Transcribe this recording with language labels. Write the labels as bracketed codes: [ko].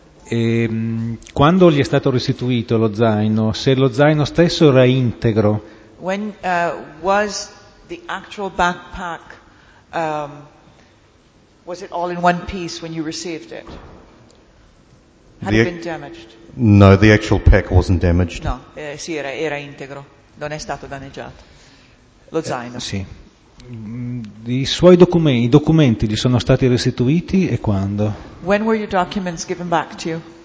[it] E quando gli è stato restituito lo zaino, se lo zaino stesso era integro? [en] When was the actual backpack was it all in one piece when you received it? Had it been damaged? No, the actual pack wasn't damaged. [it] No, sì, era integro. Non è stato danneggiato. Lo zaino. Sì. I suoi documenti, i documenti gli sono stati restituiti e quando? [en] When were your documents given back to you?